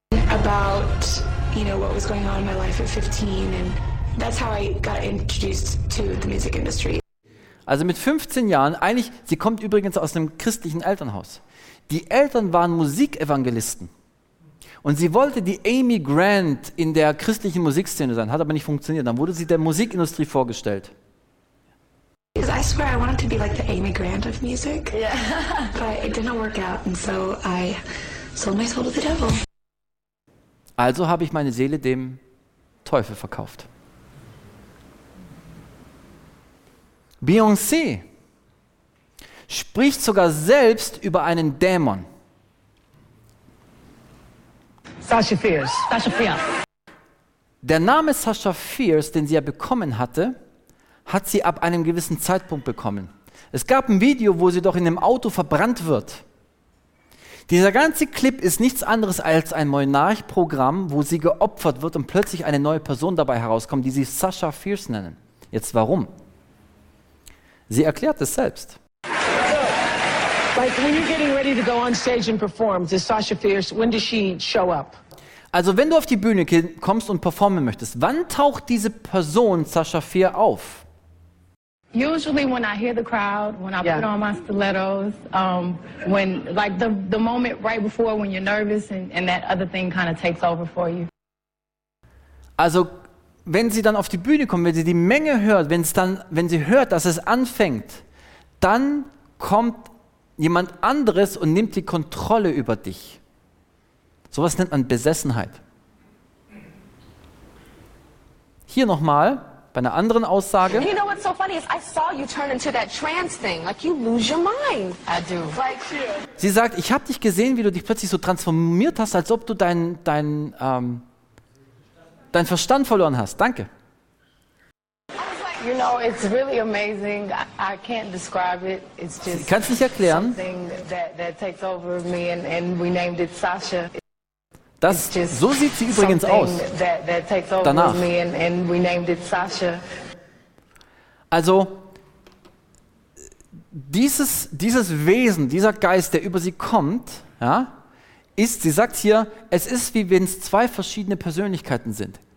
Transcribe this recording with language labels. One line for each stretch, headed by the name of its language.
English: About, you know, what was going on in my life at 15, and that's how I got introduced to the music industry.
German: Also mit 15 Jahren, eigentlich, sie kommt übrigens aus einem christlichen Elternhaus. Die Eltern waren Musikevangelisten. Und sie wollte die Amy Grant in der christlichen Musikszene sein, hat aber nicht funktioniert. Dann wurde sie der Musikindustrie vorgestellt.
English: Because I swear I wanted to be like the Amy Grant of music. Yeah. But it didn't work out, and so I sold my soul to the devil.
German: Also habe ich meine Seele dem Teufel verkauft. Beyoncé spricht sogar selbst über einen Dämon. Sasha Fierce. Sasha Fierce. Der Name Sasha Fierce, den sie ja bekommen hatte, hat sie ab einem gewissen Zeitpunkt bekommen. Es gab ein Video, wo sie doch in einem Auto verbrannt wird. Dieser ganze Clip ist nichts anderes als ein Monarch-Programm, wo sie geopfert wird und plötzlich eine neue Person dabei herauskommt, die sie Sasha Fierce nennen. Jetzt warum? Sie erklärt es selbst.
English: Like when you're getting ready to go on stage and perform, does Sasha Fierce, when does she show up?
German: Also wenn du auf die Bühne kommst und performen möchtest, wann taucht diese Person Sasha Fierce auf?
English: Usually when I hear the crowd, when I put on my stilettos, when like the moment right before when you're nervous and that other thing kind of takes over for you.
German: Also wenn sie dann auf die Bühne kommt, wenn sie die Menge hört, wenn sie hört, dass es anfängt, dann kommt jemand anderes und nimmt die Kontrolle über dich. Sowas nennt man Besessenheit. Hier nochmal bei einer anderen Aussage.
English: You know what's so funny is I saw you turn into that trance thing. Like you lose your mind. I do.
German: Sie sagt, ich habe dich gesehen, wie du dich plötzlich so transformiert hast, als ob du dein Verstand verloren hast. Danke.
English: You know, it's really amazing. I can't describe it. It's just
German: Sie kann's nicht erklären.
English: Something that takes over me and we named it Sasha.
German: Das, so sieht sie übrigens aus.
English: That takes over
German: danach.
English: Me and we named it Sasha.
German: Also dieses Wesen, dieser Geist, der über sie kommt, ja, ist, sie sagt hier, es ist wie wenn es zwei verschiedene Persönlichkeiten sind.